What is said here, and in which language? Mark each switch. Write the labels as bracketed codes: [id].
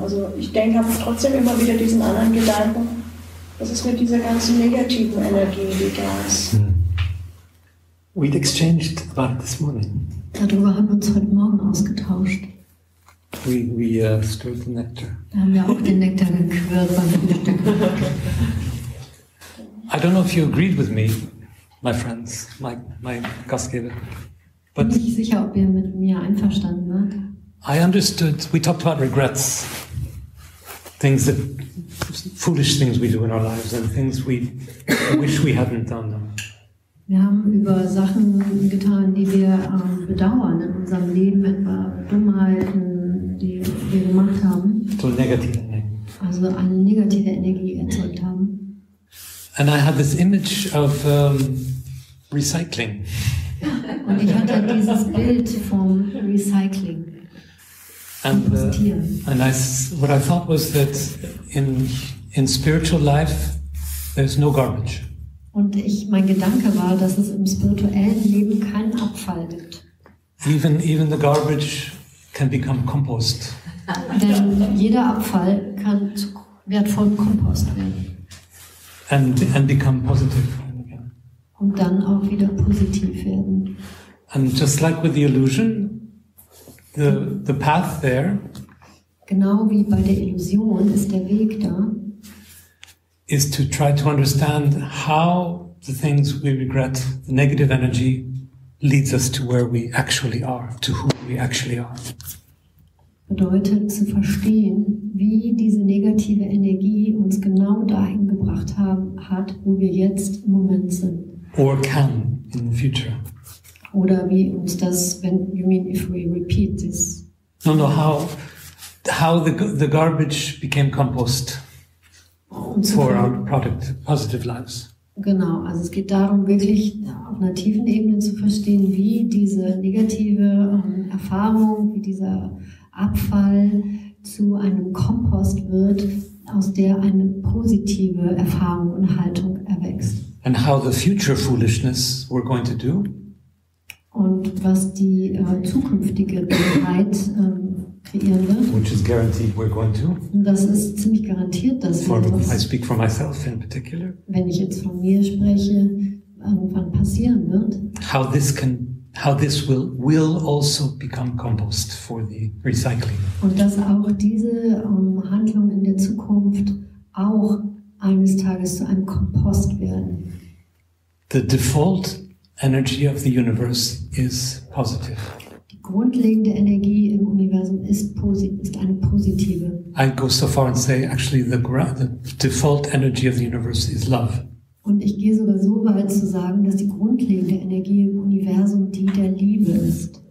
[de] Also ich denke, habe trotzdem immer wieder diesen anderen Gedanken, was ist mit dieser ganzen negativen Energie, die da ist. [en] We'd exchanged about it this morning. [de] Darüber haben wir uns heute Morgen ausgetauscht. [en] We stirred the nectar. [de] Da haben wir auch den Nektar gequirlt beim Frühstück. [en] I don't know if you agreed with me, my friends, my Gastgeber. [de] Bin nicht sicher, ob ihr mit mir einverstanden wart. [en] I understood. We talked about regrets. things that foolish things we do in our lives and things we wish we hadn't done them. [de] Wir haben über Sachen getan, die wir bedauern in unserem Leben, etwa Dummheiten, die wir gemacht haben. [en] So negative energy. [de] Also eine negative Energie erzeugt haben. [en] And I had this image of recycling. [de] Und ich hatte dieses Bild vom Recycling. [en] And, and I, what I thought was that in spiritual life there's no garbage. [de] Und ich, mein Gedanke war, dass es im spirituellen Leben keinen Abfall gibt. [en] Even the garbage can become compost. [de] Denn jeder Abfall kann zu wertvollem Kompost werden. [en] And become positive [de] again. Und dann auch wieder positiv werden. [en] And just like with the illusion, the path there. [de] Genau wie bei der Illusion ist der Weg da. [en] Is to try to understand how the things we regret, the negative energy, leads us to where we actually are, to who we actually are. [de] Bedeutet zu verstehen, wie diese negative Energie uns genau dahin gebracht hat, wo wir jetzt im Moment sind. [en] Or can in the future. [de] Oder wie uns das, wenn, [en] you mean if we repeat this? No, how the garbage became compost. For our product, positive lives. [de] Genau, also es geht darum, wirklich auf einer tiefen Ebene zu verstehen, wie diese negative Erfahrung, wie dieser Abfall zu einem Kompost wird, aus der eine positive Erfahrung und Haltung erwächst. [en] And how the future foolishness we're going to do? [de] Und was die zukünftige Dummheit [en] which is guaranteed we're going to. [de] Das ist ziemlich garantiert, dass wir das, [en] I speak for myself in particular. [de] Wenn ich jetzt von mir spreche, irgendwann passieren wird. [en] How this will also become compost for the recycling. [de] Und dass auch diese Handlung in der Zukunft auch eines Tages zu einem Kompost werden. [en] The default energy of the universe is positive. [de] Grundlegende Energie im Universum ist eine positive. [en] I go so far and say, actually, the default energy of the universe is love. [de] Und ich gehe sogar so weit zu sagen, dass die grundlegende Energie im Universum die der Liebe ist.